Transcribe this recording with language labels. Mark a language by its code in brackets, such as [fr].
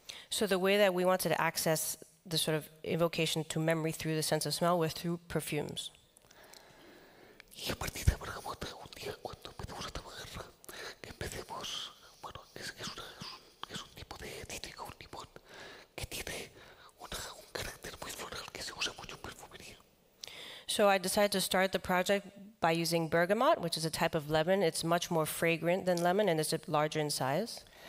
[en] So the way that we wanted to access the sort of invocation to memory through the sense of smell was through perfumes. [es] Y a partir de bergamota, un día cuando empezamos a trabajar, empecemos, bueno, es un tipo de cítrico, un limón, que tiene un carácter muy floral que se usa mucho en perfumería. [en] So I decided to start the project by using bergamot, which is a type of lemon. It's much more fragrant than lemon and it's a larger in size.